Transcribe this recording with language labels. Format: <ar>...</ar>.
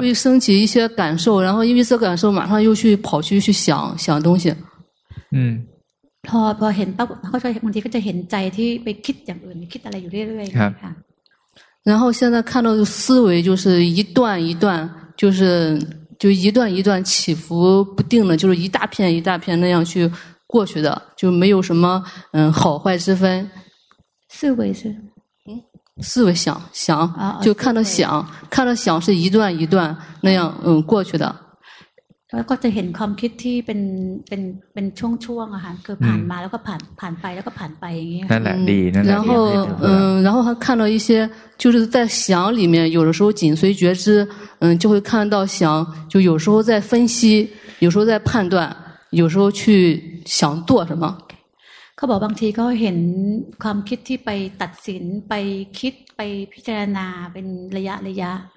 <zh>会升起一些感受然后因为这感受马上又去跑去想东西</zh> <th>พอเห็นปั๊บเขาจะบางทีก็จะเห็นใจที่ไปคิดอย่างอื่นคิดอะไรอยู่เรื่อยๆ ค่ะ</th> <zh>然后现在看到的思维就是一段一段就一段一段起伏不定的就是一大片一大片那样去过去的就没有什么好坏之分思维是思维想就看到想看到想是一段一段那样过去的</zh> <th>แล้วก็จะเห็นความคิดที่เป็นช่วงๆอ่ะค่ะคือผ่านมาแล้วก็ผ่านไปแล้วก็ผ่านไปอย่างงี้ นั่นแหละดีนั่นแหละ</th> <zh>แล้ว然后他看到一些就是在想里面有的时候紧随觉知就会看到想就有时候在分析有时候在判断有时候去想做什么</zh> <th>เขาบอกบางทีเขาเห็นความคิดที่ไปตัดสินไปคิดไปพิจารณาเป็นระยะระยะ</th>